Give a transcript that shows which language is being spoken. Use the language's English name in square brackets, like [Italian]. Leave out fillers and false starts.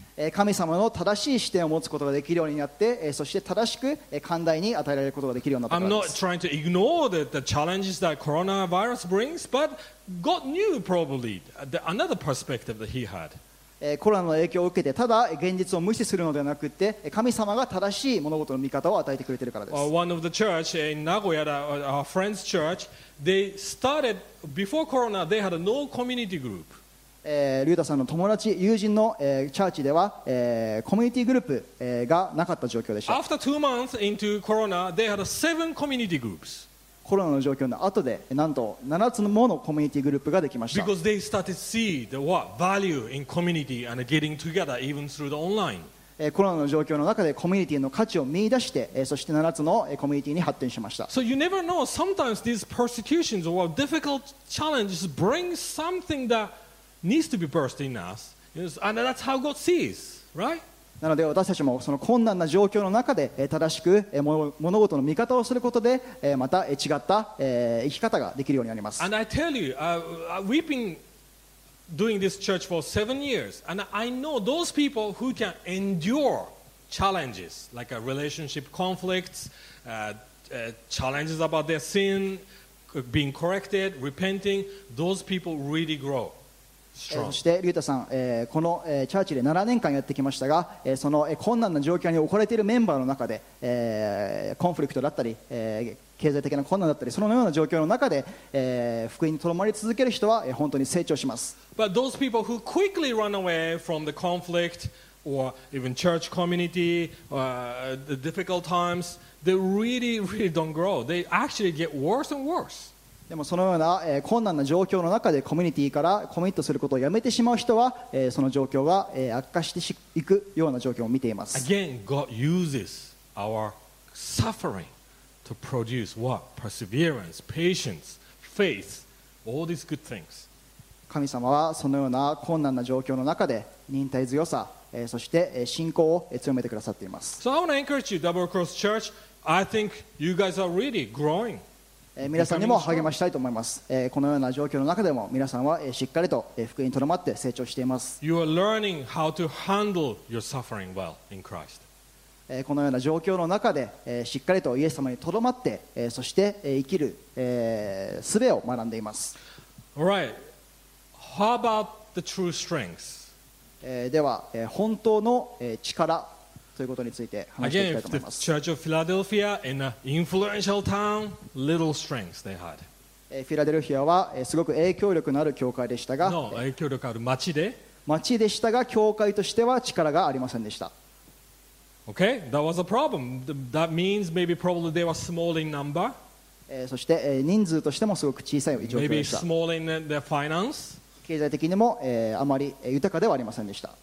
[Japanese] 神様の正しい視点を持つことができるようになって、そして正しく寛大に与えられることができるようになったからです。 [English] I'm not trying to ignore the challenges that coronavirus brings, but God knew probably another perspective that he had. [Japanese] コロナの影響を受けてただ現実を無視するのではなくて神様が正しい物事の見方を与えてくれているからです。 [English] One of the church in Nagoya, our friend's church, they started before corona, they had no community group. [Japanese] リュータさんの友達友人のチャーチではコミュニティグループがなかった状況でした。 [English] After 2 months into corona, they had 7 community groups. [Japanese] コロナの状況の後でなんと7つものコミュニティグループができました。 [English] Because they started to see the what value in community and getting together even through the online. [Japanese] コロナの状況の中でコミュニティの価値を見出して、そして7つのコミュニティに発展しました。 [English] So you never know, sometimes these persecutions or difficult challenges bring something that needs to be burst in us. And that's how God sees, right? [Japanese] なので私たちもその困難な状況の中で正しく物事の見方をすることでまた違った生き方ができるようになります。 [English] And I tell you, we've been doing this church for 7 years, and I know those people who can endure challenges like a relationship conflicts, challenges about their sin being corrected, repenting, those people really grow. [Japanese] そしてリュータさん、このチャーチで7年間やってきましたが、その困難な状況に置かれているメンバーの中で、コンフリクトだったり、経済的な困難だったり、そのような状況の中で、福音にとどまり続ける人は、本当に成長します。 [English] But those people who quickly run away from the conflict or even church community or the difficult times, they really, really don't grow. They actually get worse and worse. [Japanese] でもそのような困難な状況の中でコミュニティからコミットすることをやめてしまう人はその状況が悪化していくような状況を見ています。 [English] Again, God uses our suffering to produce what? Perseverance, patience, faith, all these good things. [Japanese] 神様はそのような困難な状況の中で忍耐強さそして信仰を強めてくださっています。 [English] So I want to encourage you, Double Cross Church. I think you guys are really growing. [Japanese] 皆さんにも励ましたいと思います。このような状況の中でも皆さんはしっかりと福音にとどまって成長しています。 [English] You are learning how to handle your suffering well in Christ. [Japanese] このような状況の中でしっかりとイエス様にとどまってそして生きる術を学んでいます。 [English] All right. How about the true strengths? [Japanese] では本当の力ということについて話していきたいと思います。 [English] Again, if the Church of Philadelphia in an influential town, little strengths they had. [Japanese] フィラデルフィアはすごく影響力のある教会でしたが、 No, 影響力ある町で、町でしたが教会としては力がありませんでした。 [English] Okay, that was a problem. That means maybe probably they were small in number. [Japanese] そして人数としてもすごく小さい状況でした。 [English] Maybe small in their finance. [Japanese] 経済的にもあまり豊かではありませんでした。